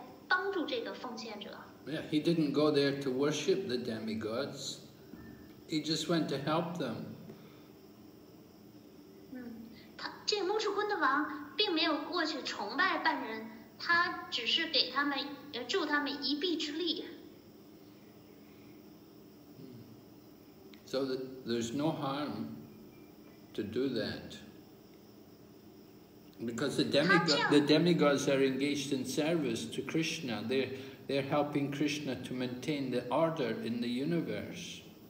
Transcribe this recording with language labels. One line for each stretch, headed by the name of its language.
Chinese: 因为半神人们是奉献者，然后半神人们在跟恶魔作战，所以穆智坤德王就想帮助，身为奉献者的半神人来与恶魔作战。这就好像，倘若你看见一个奉献者受到人身攻击，那你就会冲上去来帮助这个奉献者。Yeah,
English: he didn't go there to worship the demigods. He just went to help them.
Chinese: 这穆智坤德王并没有过去崇拜半人，他只是给他们助他们一臂之力。So
English: there's no harm to do that because the demigods are engaged in service to Krishna. They're helping Krishna to maintain the order in the universe.